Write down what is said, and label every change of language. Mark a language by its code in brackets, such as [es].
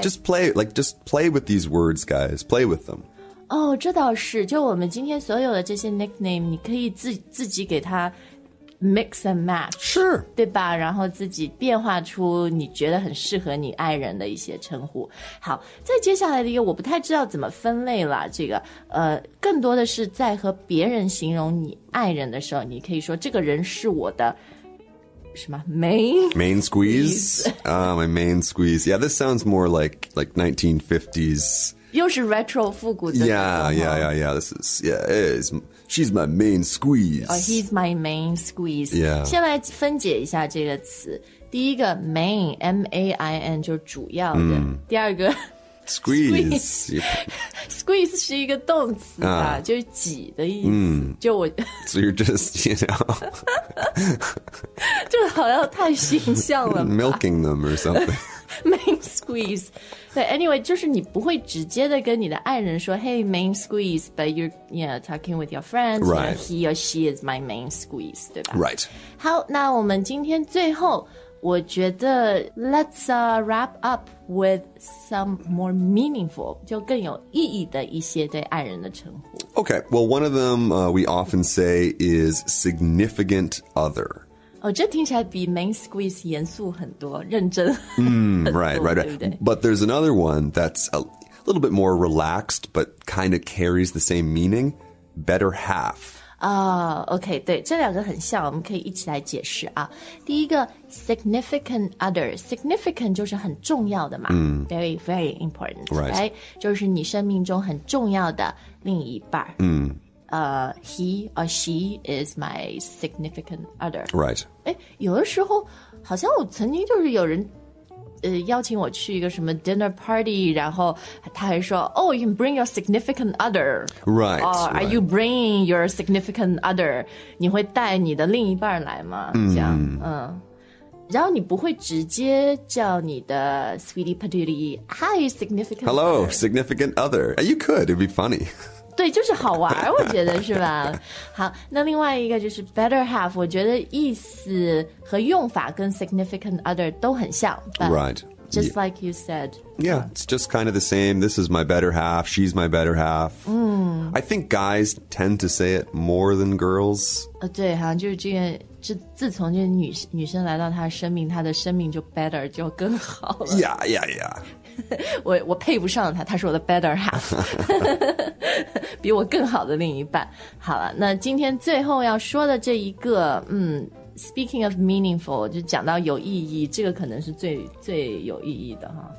[en] just play with these words guys play with them [zh] 哦、oh, 这倒是就我们今天所有的这些 nickname 你可以自己给它 [en] mix and match sure [zh] 对吧然后自己变化出你觉得很适合你爱人的一些称呼好再接下来的一个我不太知道怎么分类了这个更多的是在和别人形容你爱人的时候你可以说这个人是我的什么 main [en] squeeze my main squeeze yeah this sounds more like 1950s [zh] 又是 retro 复古的 [en] yeah this is she's my main squeeze oh he's my main squeeze yeah [zh] 先来分解一下这个词第一个 main M-A-I-N 就是主要的、第二个 [en] squeeze [zh] 是一个动词啊、就是挤的意思、就我 [en] so you're just you know [zh] 就好像太形象了 [en] milking them or something main squeeze 对 anyway [zh] 就是你不会直接的跟你的爱人说 [en] hey main squeeze but you're you know, talking with your friends right you know, he or she is my main squeeze [zh] 对吧 [en] right [zh] 好那我们今天最后我觉得 [en] let's wrap up with some more meaningful [zh] 就更有意义的一些对爱人的称呼 [en] Okay, well one of them we often say is significant other [zh] 哦，这听起来比 main squeeze 严肃很多认真 [en] Right. [zh] 对不对 [en] But there's another one that's a little bit more relaxed but kind of carries the same meaning better half [zh] Okay, 对这两个很像我们可以一起来解释啊。第一个 significant other, significant 就是很重要的嘛、 [en] very, very important, right? [zh] 就是你生命中很重要的另一半。 [en] He or she is my significant other. Right. [zh] 诶有的时候好像我曾经就是有人邀请我去一个什么 dinner party 然后他还说 [en] Oh, you can bring your significant other Right Or are you bringing your significant other [zh] 你会带你的另一半来吗、这样、然后你不会直接叫你的 sweetie patootie Hi, significant [en] Hello, other Hello, significant other You could, it'd be funny [zh] 对就是好玩我觉得是吧好那另外一个就是 better half 我觉得意思和用法跟 significant other 都很像 [en] Right Just like you said Yeah, it's just kind of the same This is my better half She's my better half、I think guys tend to say it more than girls [zh] 对好像就是这个自从这个 女生来到她的生命她的生命就 better 就更好了 [en] Yeah [zh] 我配不上他，他是我的 better half， 比我更好的另一半。好了，那今天最后要说的这一个， [en] speaking of meaningful， [zh] 就讲到有意义，这个可能是最有意义的哈。